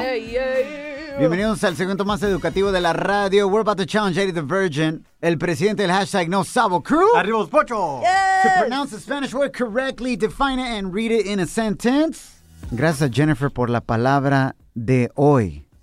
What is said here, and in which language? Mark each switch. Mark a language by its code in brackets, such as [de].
[es] Bienvenidos al segmento más educativo de la radio. [en] We're about to challenge Eddie the Virgin, [es] el presidente del hashtag No Sabo Crew. Arriba los pocho. [en] Yes. To pronounce the Spanish word correctly, define it and read it in a sentence. [es] Gracias a Jennifer por la palabra de hoy.